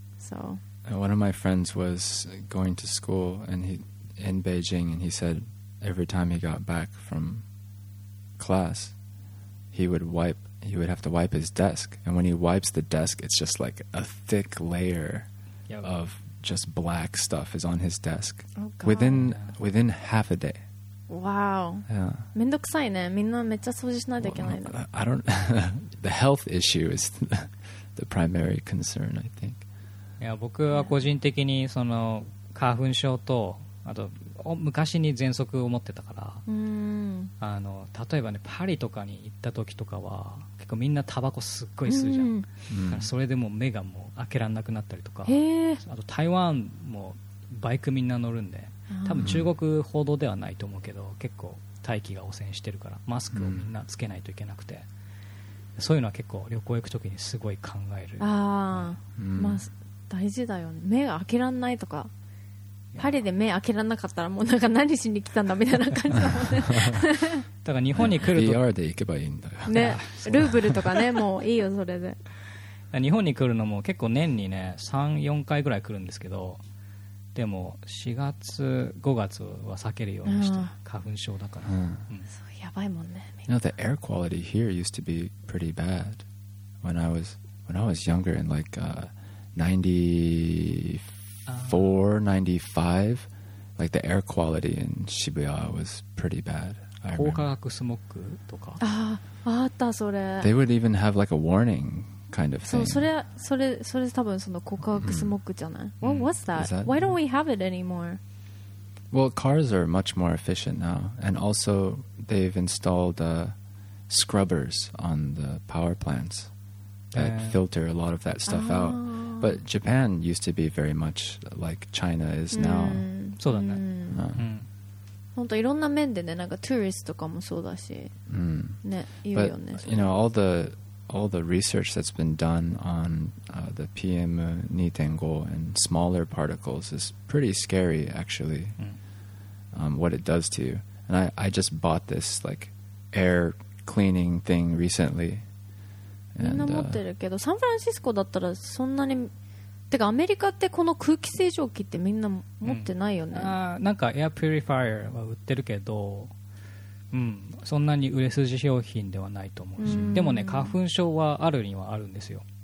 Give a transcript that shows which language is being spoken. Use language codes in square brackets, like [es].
[en] And one of my friends was going to school and he, in Beijing and he said every time he got back from class he would have to wipe his desk and when he wipes the desk it's just like a thick layer of just black stuff is on his desk within half a day wow [ja] めんどくさいね みんなめっちゃ掃除しないといけないの [en] I don't the health issue is the primary concern I think [ja] いや僕は個人的にその花粉症とあと昔に喘息を持ってたから、うん、あの例えばねパリとかに行った時とかは結構みんなタバコすっごい吸うじゃん、うん、だからそれでもう目がもう開けられなくなったりとか、あと台湾もバイクみんな乗るんで多分中国ほどではないと思うけど結構大気が汚染してるからマスクをみんなつけないといけなくて、うん、そういうのは結構旅行行くときにすごい考えるああ、うん、マスク大事だよね目が開けらんないとかパリで目開けらんなかったらもうなんか何しに来たんだみたいな感じだもんねだから日本に来ると VR で行けばいいんだよ、ね、ルーブルとかねもういいよそれで日本に来るのも結構年にね 3,4 回ぐらい来るんですけどでも4月5月は避けるようにして花粉症だから、うん、やばいもんね [en] You know the air quality here used to be pretty bad when I was younger and like 94, 95, like the air quality in Shibuya was pretty bad. [ja] 高化学スモッグとか。あったそれ。 [en] They would even have like a warning kind of thing. [ja] そう、それ多分その高化学スモッグじゃない。 [en] What was that? Why don't we have it anymore? Well, cars are much more efficient now. And also, they've installed scrubbers on the power plants that filter a lot of that stuff out. But Japan used to be very much like China is now. [ja] そうだね。本当いろんな面でね、なんかツーリストとかもそうだし、ね、いいよね。 [en] But you know all the research that's been done on the PM2.5 and smaller particles is pretty scary actually. what it does to you. And I just bought this like air cleaning thing recently. [ja] みんな持ってるけど、サンフランシスコだったらそんなに、てかアメリカってこの空気清浄機ってみんな持ってないよね。なんかエアプリファイアは売ってるけど、そんなに売れ筋商品ではないと思うし、でもね、花粉症はあるにはあるんですよ。